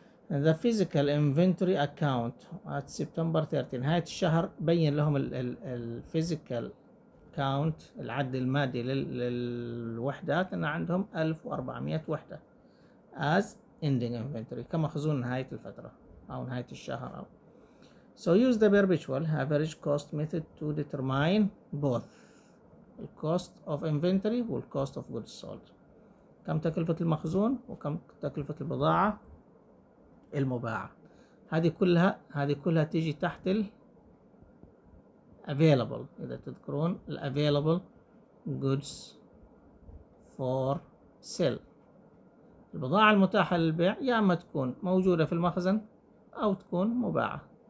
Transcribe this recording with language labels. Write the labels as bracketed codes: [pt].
[en] The physical inventory account at September 30، [ar] نهاية الشهر بين لهم ال physical count، العد المادي للوحدات، أن عندهم 1400 وحدة [en] as ending inventory، [ar] كمخزون نهاية الفترة أو نهاية الشهر. [en] So use the perpetual average cost method to determine both the cost of inventory and cost of goods sold، [ar] كم تكلفة المخزون وكم تكلفة البضاعة المباعة. هذه كلها تيجي تحت ال available، إذا تذكرون ال [en] available goods for sale، [ar] البضاعة المتاحة للبيع، يا أما تكون موجودة في المخزن أو تكون مباعة.